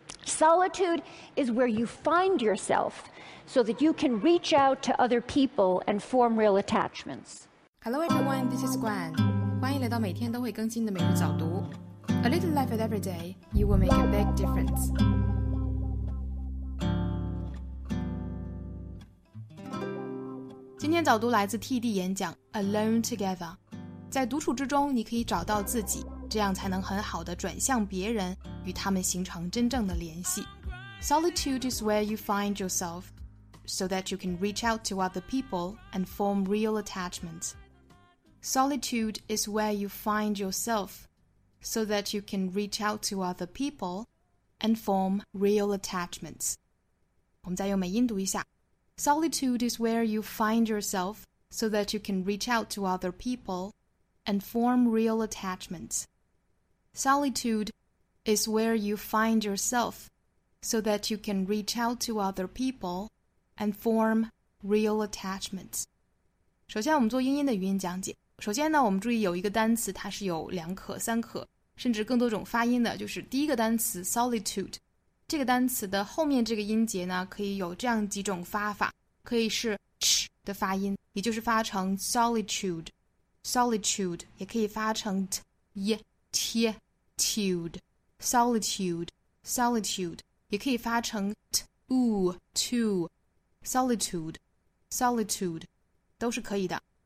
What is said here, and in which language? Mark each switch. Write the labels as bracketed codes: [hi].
[en] Solitude is where you find yourself so that you can reach out to other people and form real attachments. Hello everyone, this is Gwen. [zh] 欢迎来到每天都会更新的每日早读。 [en] A little life at every day, you will make a big difference. [zh] 今天早读来自 TD 演讲 Alone Together。在独处之中，你可以找到自己，这样才能很好的转向别人，与他们形成真正的联系。 [en] Solitude is where you find yourself, so that you can reach out to other people and form real attachments. Solitude is where you find yourself, so that you can reach out to other people and form real attachments. [zh] 我们再用美音读一下。 [en] Solitude is where you find yourself, so that you can reach out to other people and form real attachments. Solitude is where you find yourself, so that you can reach out to other people and form real attachments. [zh] 首先我们做英音的语音讲解。首先呢，我们注意有一个单词，它是有两可、三可，甚至更多种发音的，就是第一个单词 solitude。这个单词的后面这个音节呢，可以有这样几种发法，可以是 ch 的发音，也就是发成 solitude， solitude， 也可以发成 t y t t u d e solitude， solitude， 也可以发成 t u t u solitude， solitude， 都是可以的。